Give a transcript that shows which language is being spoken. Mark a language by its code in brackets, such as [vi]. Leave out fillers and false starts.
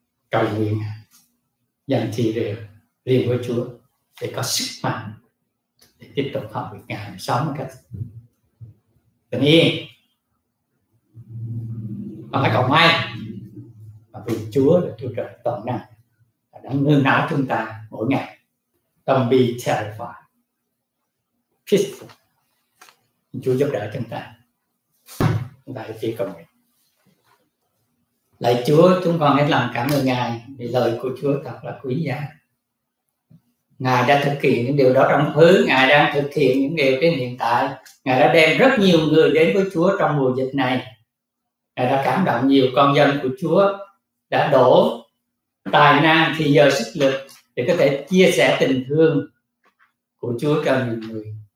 [vi] Cầu nguyện Ngài dành thì đều riêng với Chúa để có sức mạnh để tiếp tục học việc Ngài sống một cách bình yên và phải cầu may và vì Chúa là Chúa Trời toàn năng đang nương náu chúng ta mỗi ngày. [en] Don't be terrified, peaceful. [vi] Chúa giúp đỡ chúng ta. Chúng ta hãy chỉ cầu nguyện. Lạy Chúa, chúng con hãy làm cảm ơn Ngài vì lời của Chúa thật là quý giá. Ngài đã thực hiện những điều đó trong quá khứ, Ngài đang thực hiện những điều đến hiện tại. Ngài đã đem rất nhiều người đến với Chúa trong mùa dịch này. Ngài đã cảm động nhiều con dân của Chúa, đã đổ tài năng thì giờ sức lực để có thể chia sẻ tình thương của Chúa cho nhiều người.